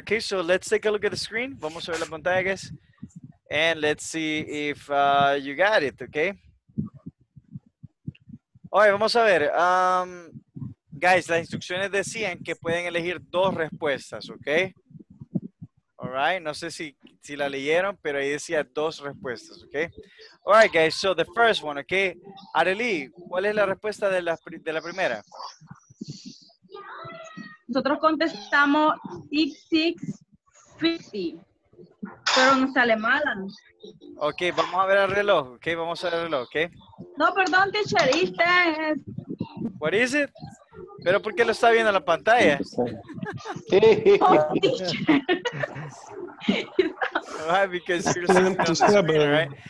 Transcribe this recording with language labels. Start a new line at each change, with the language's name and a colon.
English: Okay, so let's take a look at the screen.
Spanish: Vamos a ver la pantalla,
English: guys. And let's see if you got it, okay? All right,
Spanish: vamos a ver. Guys, las instrucciones decían que pueden elegir dos respuestas, okay?
English: All right,
Spanish: no sé si la leyeron, pero ahí decía dos respuestas, okay?
English: All right, guys, so the first one, okay?
Spanish: Arely, ¿cuál es la respuesta de la primera? Nosotros contestamos X650, pero nos sale mala. Okay, vamos a ver el reloj, okay? Vamos a ver el reloj, okay? No, perdón, teacher, ¿viste?
English: What is it?
Spanish: ¿Pero por qué lo está viendo en la pantalla? Sí.
English: Right, because you're sitting on the screen, right?